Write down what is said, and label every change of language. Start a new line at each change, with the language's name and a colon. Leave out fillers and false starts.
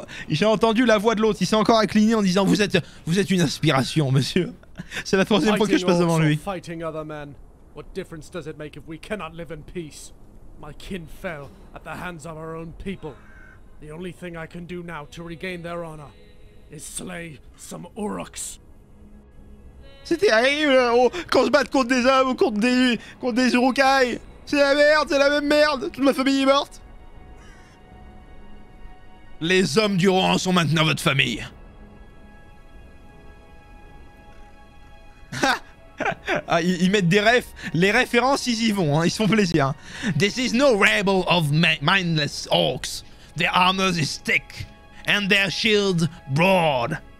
French: J'ai entendu la voix de l'autre. Il s'est encore incliné en disant « Vous êtes une inspiration, monsieur. » C'est la troisième fois que je passe devant lui.
English: Fighting other men. What difference does it make if we cannot live in peace? My kin fell at the hands of our own people. The only thing I can do now to regain their honor is slay some Uruks.
French: C'est terrible, quand je batte contre des hommes ou contre des Urukai. C'est la merde, c'est la même merde. Toute ma famille est morte. Les hommes du Rohan sont maintenant votre famille. Ah, ils mettent des refs. Les références, ils y vont, hein, ils se font plaisir.
English: This is no rabble of mindless orcs. Their armor is thick and their shield broad.